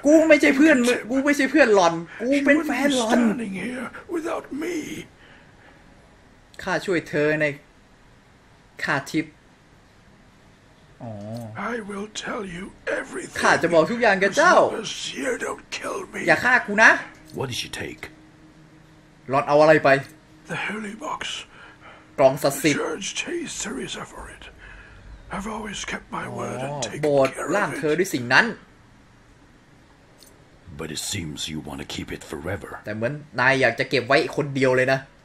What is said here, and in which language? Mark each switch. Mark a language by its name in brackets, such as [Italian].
[Thai] กูไม่ใช่เพื่อนมึงกูไม่ใช่เพื่อนหล่อนกูเป็นแฟนหล่อน [English] standing here without me. [Thai] ข้าช่วยเธอในค่าทิป [English] I will tell you everything. [Thai] ข้าจะบอกทุกอย่างแกเจ้า [English] Don't kill me. [Thai] อย่าฆ่ากูนะ [English] What did she take? [Thai] หล่อนเอาอะไรไป [English] The holy box [Thai] กล่องศักดิ์สิทธิ์ [English] Church chased Teresa for it. I've always kept my word and taken care of it. [Thai] ล่างเธอด้วยสิ่งนั้น [English] But it seems you want to keep it forever. [Thai] แต่เหมือนนายอยากจะเก็บไว้คนเดียวเลยนะ